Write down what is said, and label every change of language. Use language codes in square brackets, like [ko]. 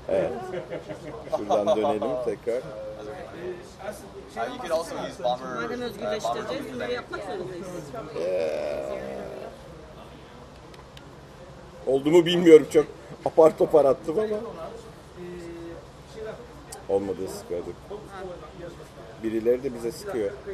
[tr] Evet. Şuradan dönelim tekrar. [en] you could also use bomber. [tr] Madem özgürleştireceğiz, bunları yapmak zorundayız. Oldu mu bilmiyorum, çok apar topar attım ama. Olmadı, sıkıyorduk. Birileri de bize sıkıyor.